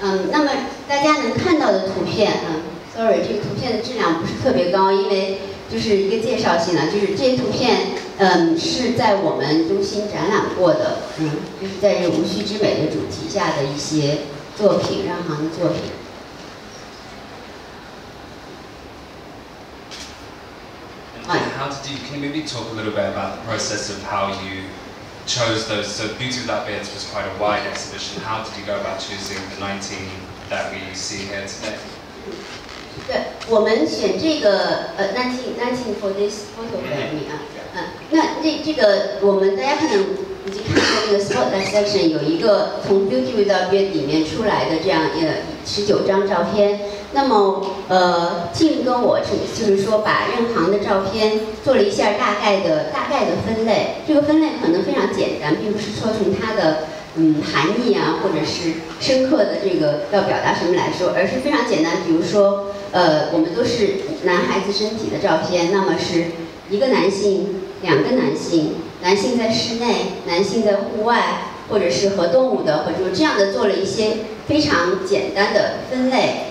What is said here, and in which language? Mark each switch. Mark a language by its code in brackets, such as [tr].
[zh] 那么大家能看到的图片，sorry， 这个图片的质量不是特别高，因为就是一个介绍性的，就是这些图片，是在我们中心展览过的，就是在这无需之美的主题下的一些作品，任航的作品。 [en] How did you, can you maybe talk a little bit about the process of how you chose those? So Beauty Without Beards was quite a wide exhibition. How did you go about choosing the 19 that we see here today? [zh] 对，我们选这个19 [en] for this photo frame [zh] 啊。那那这个我们大家可能已经看过那个 spotlight section， 有一个从 Beauty Without Beards 里面出来的这样19张照片。那么Tim 跟我就是说把任航的照片做了一下大概的分类，这个分类可能非常简单，并不是说从它的含义啊，或者是深刻的这个要表达什么来说，而是非常简单，比如说我们都是男孩子身体的照片，那么是一个男性，两个男性，男性在室内，男性在户外，或者是和动物的，或者这样的，做了一些非常简单的分类。